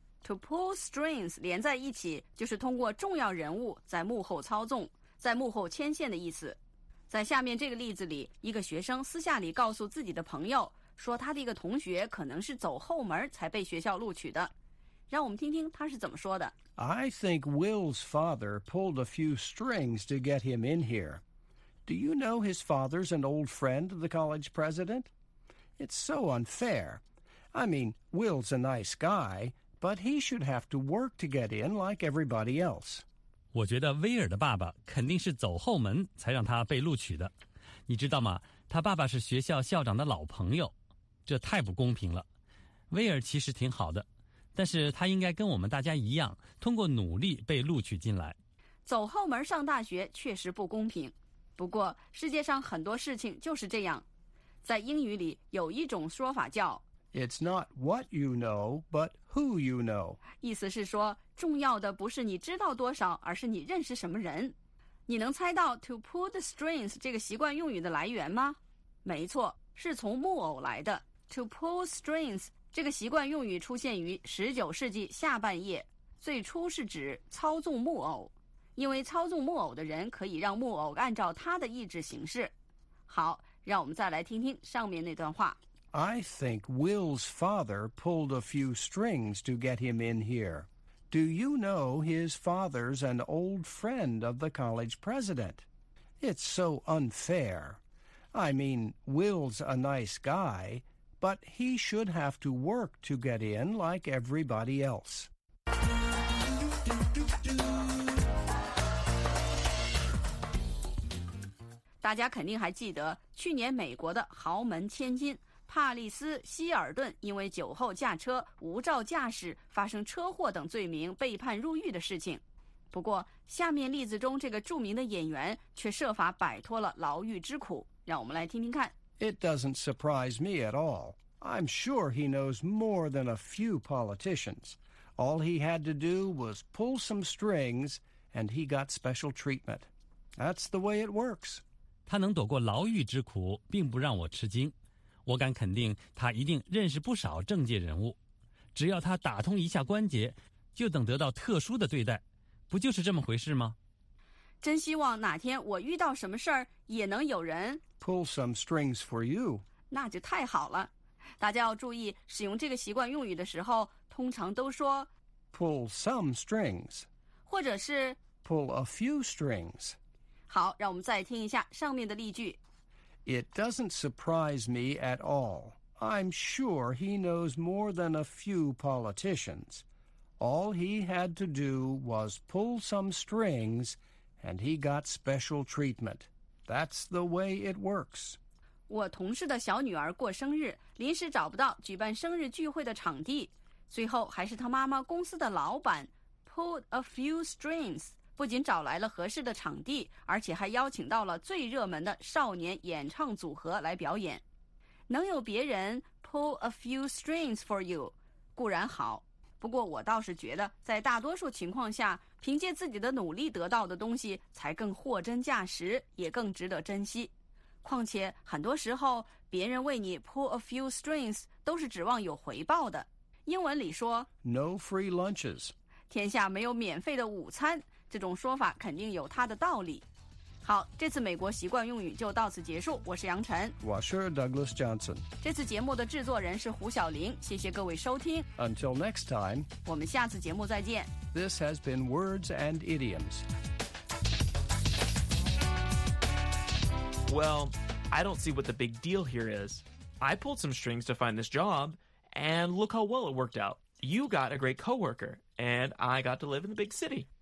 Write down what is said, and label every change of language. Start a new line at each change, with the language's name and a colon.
English: To pull strings
Chinese: 连在一起，就是通过重要人物在幕后操纵，在幕后牵线的意思。在下面这个例子里，一个学生私下里告诉自己的朋友，说他的一个同学可能是走后门才被学校录取的。让我们听听他是怎么说的。
English: I think Will's father pulled a few strings to get him in here. Do you know his father's an old friend of the college president? It's so unfair. I mean, Will's a nice guy. But he should have to work to get in like everybody else.
Chinese: 我觉得威尔的爸爸肯定是走后门才让他被录取的。你知道吗？他爸爸是学校校长的老朋友，这太不公平了。威尔其实挺好的，但是他应该跟我们大家一样，通过努力被录取进来。走后门上大学确实不公平，不过世界上很多事情就是这样。在英语里有一种说法叫
English: It's not what you know, but who you know.
Chinese: 意思是说，重要的不是你知道多少，而是你认识什么人。你能猜到
English: to pull the strings
Chinese: 这个习惯用语的来源吗？没错，是从木偶来的。
English: To pull strings
Chinese: 这个习惯用语出现于19世纪下半叶，最初是指操纵木偶，因为操纵木偶的人可以让木偶按照他的意志行事。好，让我们再来听听上面那段话。
English: I think Will's father pulled a few strings to get him in here. Do you know his father's an old friend of the college president? It's so unfair. I mean, Will's a nice guy, but he should have to work to get in like everybody else.
Chinese: 大家肯定还记得去年美国的豪门千金帕利斯·希尔顿因为酒后驾车、无照驾驶、发生车祸等罪名被判入狱的事情。不过，下面例子中这个著名的演员却设法摆脱了牢狱之苦。让我们来听听看。
English: It doesn't surprise me at all. I'm sure he knows more than a few politicians. All he had to do was pull some strings, and he got special treatment. That's the way it works.
Chinese: 他能躲过牢狱之苦，并不让我吃惊。我敢肯定他一定认识不少政界人物，只要他打通一下关节，就等得到特殊的对待，不就是这么回事吗？真希望哪天我遇到什么事儿，也能有人
English: pull some strings for you，
Chinese: 那就太好了。大家要注意，使用这个习惯用语的时候，通常都说
English: pull some strings，
Chinese: 或者是
English: pull a few strings。
Chinese: 好，让我们再听一下上面的例句。
English: It doesn't surprise me at all. I'm sure he knows more than a few politicians. All he had to do was pull some strings, and he got special treatment. That's the way it works.
Chinese: 我同事的小女儿过生日，临时找不到举办生日聚会的场地，最后还是她妈妈公司的老板
English: pulled a few strings。
Chinese: 不仅找来了合适的场地，而且还邀请到了最热门的少年演唱组合来表演。能有别人
English: pull a few strings for you，
Chinese: 固然好。不过我倒是觉得，在大多数情况下，凭借自己的努力得到的东西才更货真价实，也更值得珍惜。况且，很多时候，别人为你
English: pull a few strings
Chinese: 都是指望有回报的。英文里说
English: No free lunches，
Chinese: 天下没有免费的午餐。这种说法肯定有它的道理。好，这次美国习惯用语就到此结束。我是杨晨，我是 Douglas Johnson。这次节目的制作人是胡晓玲。谢谢各位收听。
English: Until next time，
Chinese: 我们下次节目再见。
English: This has been Words and Idioms. Well, I don't see what the big deal here is. I pulled some strings to find this job, and look how well it worked out. You got a great coworker, and I got to live in the big city.